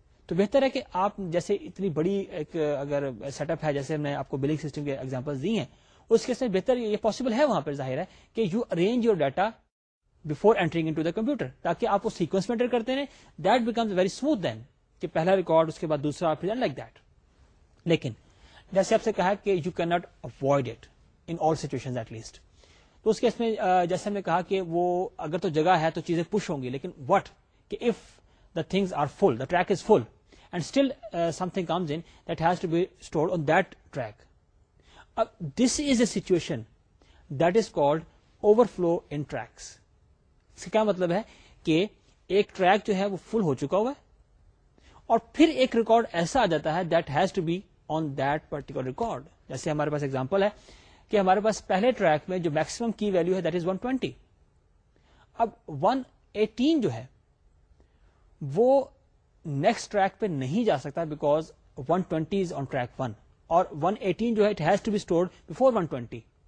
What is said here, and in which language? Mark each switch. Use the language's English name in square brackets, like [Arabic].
[Urdu] تو بہتر ہے کہ آپ جیسے اتنی بڑی ایک اگر سیٹ اپ ہے, جیسے ہم نے آپ کو بلنگ سسٹم کے ایگزامپلز دی ہیں, اس کیس میں بہتر یہ پاسبل ہے وہاں پر ظاہر ہے کہ [English] you arrange your data before entering in to the computer, [Urdu] تاکہ آپ اس سیکوینس میں انٹر کرتے رہیں, [English] that becomes very smooth then [Urdu] کہ پہلا ریکارڈ اس کے بعد دوسرا پھر لائک دیٹ. لیکن جیسے آپ سے کہا کہ [English] you can not avoid it in all situation at least, [Urdu] تو اس کیس میں جیسے ہم نے کہا کہ وہ اگر تو جگہ ہے تو چیزیں پش ہوں گی, لیکن واٹ کہ [English] if the things are full, the track is full and still something comes in that has to be stored on that track. This is a situation that is called overflow in tracks. [Urdu] اس کا کیا مطلب ہے کہ ایک track جو ہے وہ فل ہو چکا ہوا ہے اور پھر ایک ریکارڈ ایسا آ جاتا ہے [English] That has to be on that particular record. [Urdu] جیسے ہمارے پاس ایگزامپل ہے کہ ہمارے پاس پہلے ٹریک میں جو میکسیمم کی ویلو ہے دیٹ از 120. اب 118 جو ہے وہ نیکسٹ ٹریک پہ نہیں جا سکتا بیکاز 120 از آن ٹریک 1 اور 118 جو ہے [English] It has to be stored before 120.